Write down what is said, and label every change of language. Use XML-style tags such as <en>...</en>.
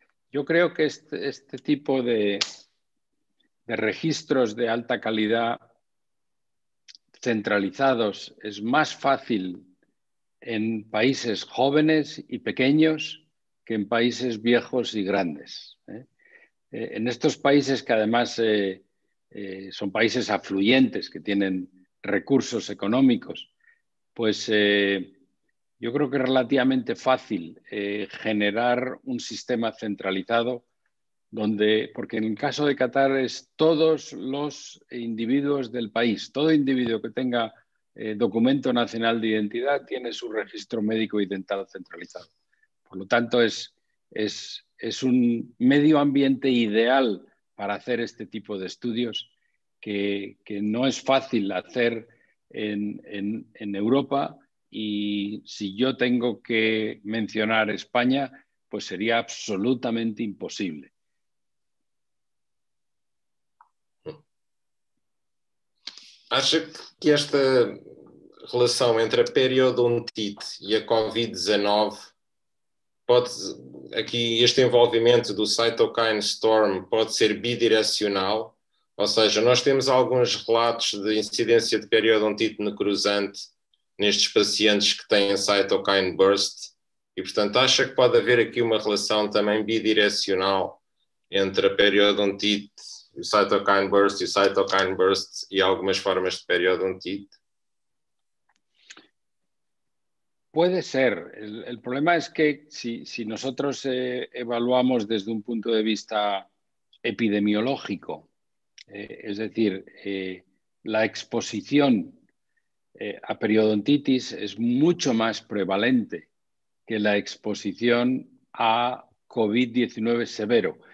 <pt>Eu creio que este tipo de registros de alta qualidade centralizados é mais fácil em países jovens e pequenos que em países viejos e grandes.</pt> <es>En estos países que además son países afluyentes, que tienen recursos económicos, pues yo creo que es relativamente fácil generar un sistema centralizado donde, porque en el caso de Qatar es todos los individuos del país, todo individuo que tenga documento nacional de identidad tiene su registro médico y dental centralizado. Por lo tanto, es un medio ambiente ideal para hacer este tipo de estudios que no es fácil hacer en Europa, y si yo tengo que mencionar España, pues sería absolutamente imposible.</es> <pt>Acho que esta relação entre a periodontite e a COVID-19 pode, aqui, este envolvimento do cytokine storm pode ser bidirecional, ou seja, nós temos alguns relatos de incidência de periodontite necrosante nestes pacientes que têm cytokine burst, e portanto acha que pode haver aqui uma relação também bidirecional entre a periodontite, o cytokine burst e o cytokine burst e algumas formas de periodontite?</pt> <es>Puede ser. El problema es que si nosotros evaluamos desde un punto de vista epidemiológico, es decir, la exposición a periodontitis es mucho más prevalente que la exposición a COVID-19 severo.</es>